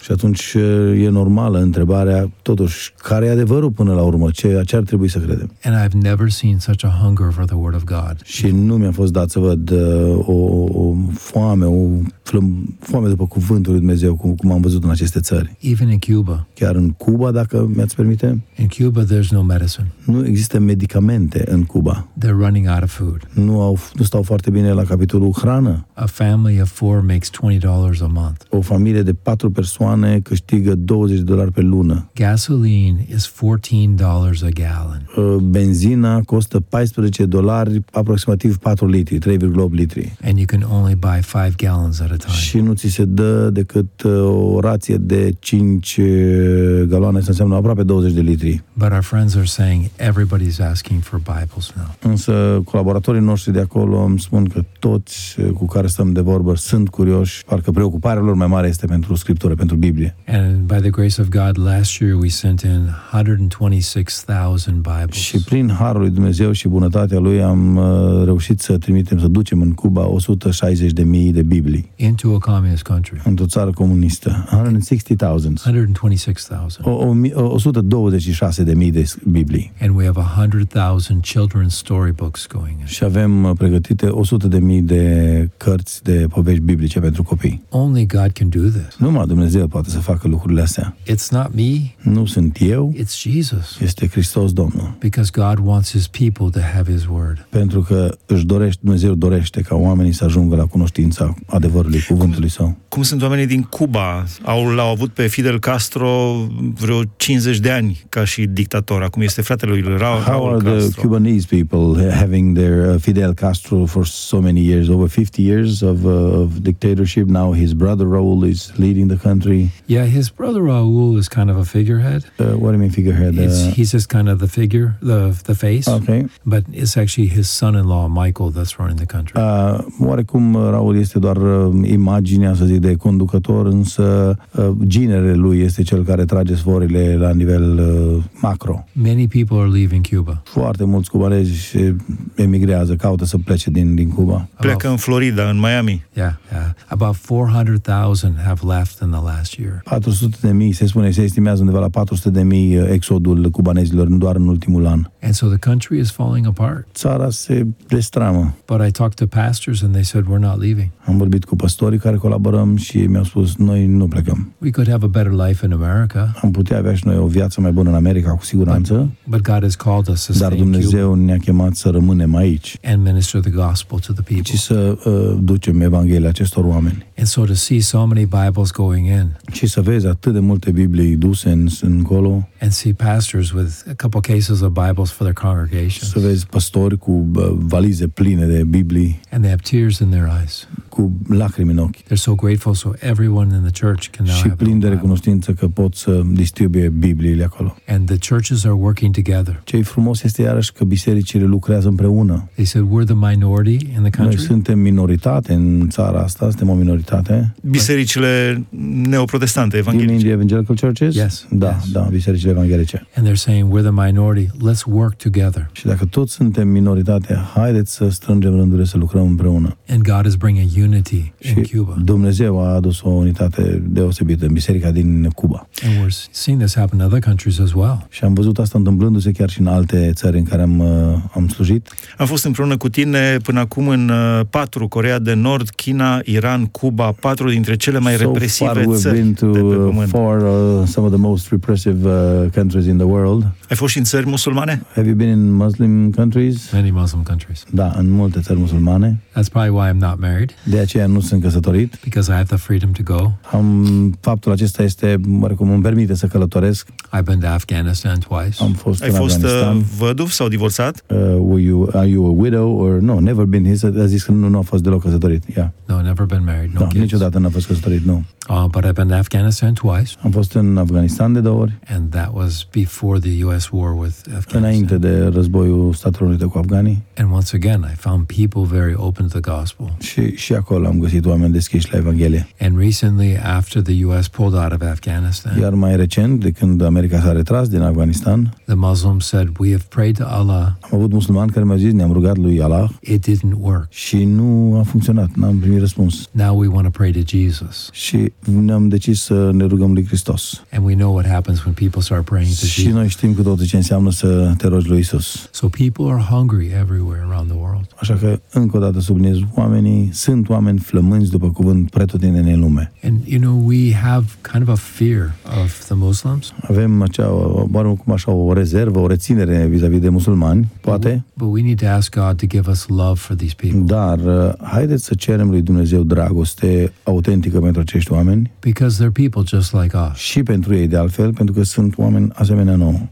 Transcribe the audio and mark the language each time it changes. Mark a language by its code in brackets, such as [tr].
[ro] Și atunci e normală întrebarea, totuși, care e adevărul până la urmă? Ce ar trebui să credem? [en] And I've never seen such a hunger for the word of God. [ro] Și nu mi-a fost dat să văd o foame, foame după cuvântul lui Dumnezeu, cum am văzut în aceste țări. [en] Even in Cuba. [ro] Chiar în Cuba, dacă mi-ați permite? [en] In Cuba, there's no medicine. [ro] Nu există medicamente în Cuba. [en] They're running out of food. [ro] Nu stau foarte bine la capitolul hrană. [en] A family of four makes $20 a month. [ro] O familie de 4 persoane câștigă $20 pe lună. [en] Gasoline is $14 a gallon. [ro] Benzina costă $14, aproximativ 4 litri, 3,8 litri. [en] And you can only buy 5 gallons at a time. [ro] Și nu ți se dă decât o rație de 5 galoane, să înseamnă aproape 20 de litri. [en] But our friends are saying everybody's asking for Bibles now. [ro] Însă colaboratorii noștri de acolo îmi spun că toți cu care stăm de vorbă sunt curioși, parcă preocuparea lor mai mare este pentru Scriptură, pentru Biblie. [en] And by the grace of God, last year we sent in 126,000 Bibles. [ro] Și prin harul lui Dumnezeu și bunătatea lui am reușit să trimitem, să ducem în Cuba 160,000 de Biblii. [en] Into a communist country. [ro] Într-o țară comunistă. 160,000. 126,000. 126,000 de Biblii. [en] And we have 100,000 children's storybooks going in. [ro] Și avem pregătite 100,000 de cărți de povești biblice pentru copii. [en] Only God can do this. [ro] Numai Dumnezeu poate să facă lucrurile astea. [en] It's not me. [ro] Nu sunt eu. [en] It's Jesus. [ro] Este Hristos Domnul. [en] Because God wants his people to have his word. [ro] Pentru că Dumnezeu dorește ca oamenii să ajungă la cunoștința adevărului cuvântului său. Cum sunt oamenii din Cuba? L-au avut pe Fidel Castro vreo 50 de ani ca și dictator. Acum este fratele lui Raul Castro. [en] How are the Cubanese people having their Fidel Castro for so many years, over 50 years of dictatorship. Now his brother Raul is leading the country. Yeah, his brother Raul is kind of a figurehead. What do you mean figurehead? He's just kind of the figure, the face. Okay. But it's actually his son-in-law, Michael, that's running the country. [ro] Oarecum Raul este doar imaginea, să zic, de conducător, însă ginerele lui este cel care trage sforile la nivel macro. [en] Many people are leaving Cuba. [ro] Foarte mulți cubanezi emigrează, caută să plece din Cuba. Pleacă în Florida, în Miami. [en] Yeah. About 400,000 have left in the last year. [ro] 400,000, se spune, se estimează undeva la 400,000 exodul cubanezilor doar în ultimul an. [en] And so the country is falling apart. [ro] Țara se destramă. [en] But I talked to pastors and they said we're not leaving. [ro] Am vorbit cu pastorii care colaborăm și mi-au spus noi nu plecăm. [en] We could have a better life in America. [ro] Am putea avea și noi o viață mai bună în America, cu siguranță. [en] But God has called us to [ro] stay. Dar Dumnezeu ne-a chemat să rămânem aici. [en] And minister the gospel to the people. [ro] Și să ducem Evanghelia acestor oameni. [en] And so to see so many Bibles going in. [ro] Și să vezi atât de multe Biblii duse în colo. [en] And see pastors with a couple cases of Bibles for their congregations. [ro] Să vezi pastori cu valize pline de Biblii. [en] And they have tears in their eyes. [ro] Cu lacrimi ochi în ochi. [en] They're so grateful, so everyone in the church can now [ro] și [en] have. [ro] Și plin de recunoștință că pot să distribuie Bibliile acolo. [en] And the churches are working together. [ro] Ce frumos este iarăși că bisericile lucrează împreună. They said we're the minority in the country. Noi suntem minoritate în țara asta, suntem o minoritate. Bisericile neoprotestante evanghelice. [en] The evangelical churches? Yes. [ro] Da, [en] yes. [ro] Da, bisericile evanghelice. [en] And they're saying we're the minority, let's work together. [ro] Și dacă toți suntem minoritate, haideți să strângem rândurile să lucrăm împreună. [en] And God is bringing unity in Cuba. [ro] Dumnezeu a adus o unitate deosebită în biserica din Cuba. [en] And we're seeing this happen in other countries as well. [ro] Și am văzut asta întâmplându-se chiar și în alte țări în care am slujit. Am fost împreună cu tine până acum în 4, Corea de Nord, China, Iran, Cuba, 4 dintre cele mai represive țări de pe pământ. [en] Some of the most repressive countries in the world. [ro] Ai fost în țări musulmane? [en] Have you been in Muslim countries? Many Muslim countries. [ro] Da, în multe țări musulmane. [en] That's probably why I'm not married. [ro] De aceea nu sunt căsătorit. [en] Because I have the freedom to go. [ro] Faptul acesta este, oarecum, îmi permite să călătoresc. [en] I've been to Afghanistan twice. [ro] Am fost în Afganistan. Ai fost văduv sau divorțat? [en] Are you a widow or no, never been. He said, [ro] a zis că nu a fost deloc căsătorit. [en] Yeah. No, never been married. No, [ro] da, niciodată n-a fost căsătorit, nu. [en] But I've been to Afghanistan twice. [ro] Am fost în Afganistan de două ori. [en] And that was before the US war with Afghanistan. [ro] Înainte de războiul Statelor Unite cu afganii. [en] And once again, I found people very open to the gospel. [ro] Și acolo am găsit oameni deschiși la Evanghelie. [en] And recently, after the US pulled out of Afghanistan. [ro] Iar mai recent, de când America s-a retras din Afganistan. [en] The Muslims said, we have prayed to Allah. [ro] Am avut musulmani care mi-au zis, ne-am rugat lui Allah. [en] It didn't work. [ro] Și nu a funcționat, n-am primit răspuns. [en] Now we want to pray to Jesus. [ro] Și ne-am decis să ne rugăm lui Hristos. [en] And we know what happens when people start praying to Jesus. [ro] Și noi știm cu toate ce înseamnă să te rogi lui Isus. [en] So people are hungry everywhere around the world. [ro] Așa că încă o dată subliniez, oamenii sunt oameni flămânzi după cuvânt pretutindeni în lume. [en] And you know we have kind of a fear of the Muslims. [ro] Avem o rezervă, o reținere vis-a-vis de musulmani, poate. [en] But we need to ask God to give us love for these people. [ro] Dar haideți să cerem lui Dumnezeu dragoste autentică pentru acești oameni. [en] Because they're people just like us. [ro] Și pentru ei de altfel, pentru că sunt oameni asemenea nouă.